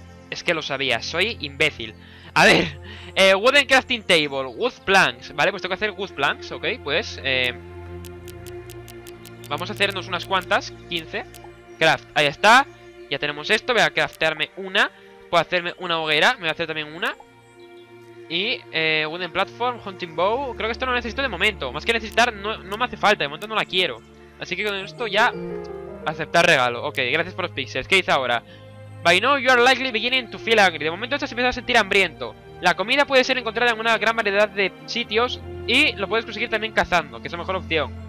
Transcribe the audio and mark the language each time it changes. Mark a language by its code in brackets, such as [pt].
[es] Es que lo sabía, soy imbécil. A ver, wooden crafting table, wood planks. Vale, pues tengo que hacer wood planks, ok, pues... vamos a hacernos unas cuantas, 15. Craft, ahí está. Ya tenemos esto, voy a craftearme una. Puedo hacerme una hoguera, me voy a hacer también una. Y wooden platform, hunting bow. Creo que esto no lo necesito de momento. Más que necesitar, no me hace falta, de momento no la quiero. Así que con esto ya, aceptar regalo. Ok, gracias por los píxeles. ¿Qué dice ahora? [en] By now you are likely beginning to feel hungry. [es] De momento estás empezando a sentir hambriento. La comida puede ser encontrada en una gran variedad de sitios y lo puedes conseguir también cazando, que es la mejor opción.